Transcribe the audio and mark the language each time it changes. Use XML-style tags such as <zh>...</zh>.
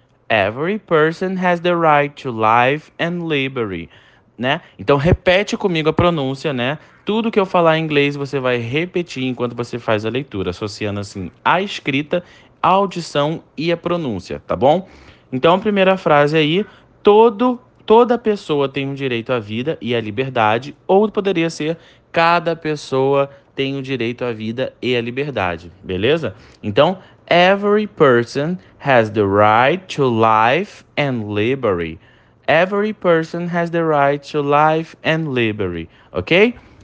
<en>Every person has the right to life and liberty.</en> <pt>Né? Então repete comigo a pronúncia, né? Tudo que eu falar em inglês você vai repetir enquanto você faz a leitura, associando assim a escrita, a audição e a pronúncia, tá bom? Então a primeira frase aí, toda pessoa tem o direito à vida e à liberdade, ou poderia ser cada pessoa tem o direito à vida e à liberdade, beleza?</pt> <en>Então, every person has the right to life and liberty. Every person has the right to life and liberty, ok?</en>